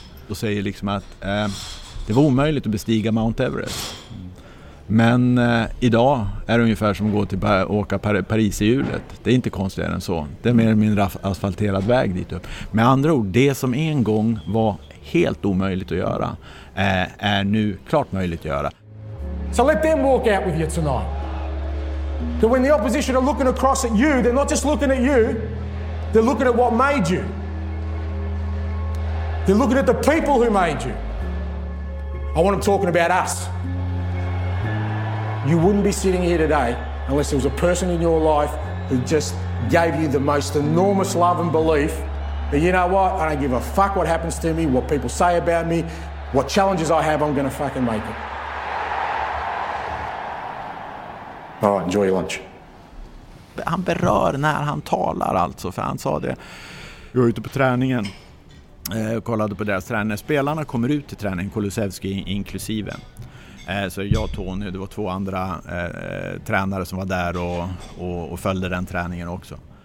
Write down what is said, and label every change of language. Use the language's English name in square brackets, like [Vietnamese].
[Swedish] Då säger liksom att det var omöjligt att bestiga Mount Everest. Men idag är det ungefär som att gå till åka Paris i hjulet. Det är inte konstigare än så. Det är mer min asfalterad väg dit upp. Med andra ord, det som en gång var helt omöjligt att göra är nu klart möjligt att göra. [English] So let them walk out with you tonight. That when the opposition are looking across at you, they're not just looking at you. They're looking at what made you. They're looking at the people who made you. I want them talking about us. You wouldn't be sitting here today unless there was a person in your life who just gave you the most enormous love and belief that, you know what, I don't give a fuck what happens to me, what people say about me, what challenges I have, I'm gonna fucking make it. All right, enjoy your lunch. [Swedish] Han berör när han talar alltså, för han sa det. Jag var ute på träningen och kollade på deras träning. När spelarna kommer ut till träningen, Kulusevski inklusive, så jag, Tony, det var två andra tränare som var där och följde den träningen också.